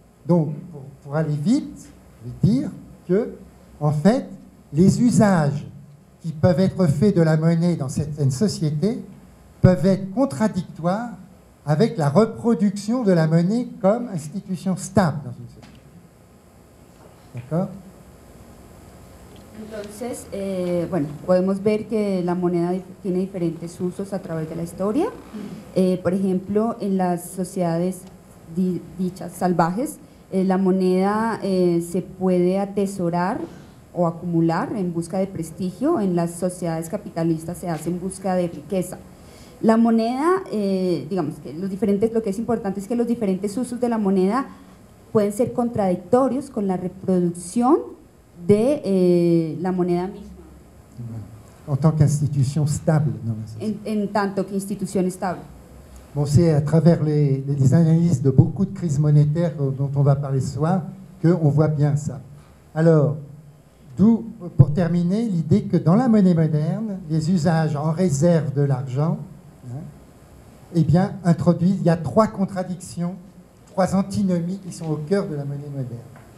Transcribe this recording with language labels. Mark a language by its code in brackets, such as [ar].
[fr] Donc, pour aller vite, je vais dire que, en fait, les usages qui peuvent être faits de la monnaie dans certaines sociétés peuvent être contradictoires avec la reproduction de la monnaie comme institution stable dans une société. D'accord ? [es] Entonces, bueno, podemos ver que la moneda tiene diferentes usos a través de la historia. Por ejemplo, en las sociedades dichas salvajes, la moneda se puede atesorar o acumular en busca de prestigio. En las sociedades capitalistas se hace en busca de riqueza. La moneda, digamos que los diferentes, lo que es importante es que los diferentes usos de la moneda pueden ser contradictorios con la reproducción de la moneda misma. [fr] En tant qu'institution stable. Non, [es] en tanto que institución estable. [fr] Bon, c'est à travers les analyses de beaucoup de crises monétaires dont on va parler ce soir qu'on voit bien ça. Alors, d'où, pour terminer, l'idée que dans la monnaie moderne, les usages en réserve de l'argent, eh bien, introduisent, il y a trois contradictions, trois antinomies qui sont au cœur de la monnaie moderne.